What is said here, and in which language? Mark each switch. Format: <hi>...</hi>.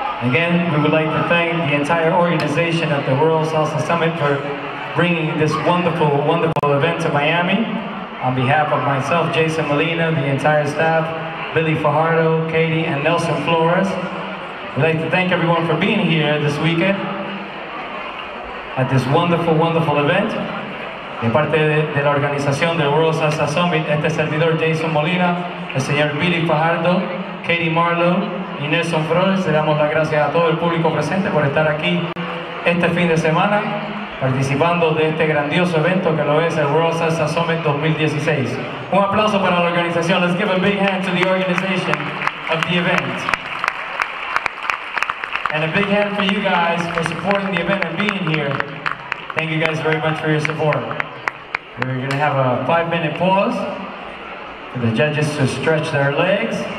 <en>Again, we would like to thank the entire organization at the World Salsa Summit for bringing this wonderful, wonderful event to Miami. on behalf of myself, Jason Molina, the entire staff, Billy Fajardo, Katie, and Nelson Flores, we'd like to thank everyone for being here this weekend at this wonderful, wonderful event.</en> <es>De parte de la organización del World Salsa Summit, este servidor Jason Molina, el señor Billy Fajardo, Katie Marlowe y Nelson Flores, le damos las gracias a todo el público presente por estar aquí este fin de semana participando de este grandioso evento que lo es el World Salsa Summit 2016. Un aplauso para la organización.</es> <en>Let's give a big hand to the organization of the event. And a big hand for you guys for supporting the event and being here. Thank you guys very much for your support. We're going to have a 5-minute pause for the judges to stretch their legs.</en>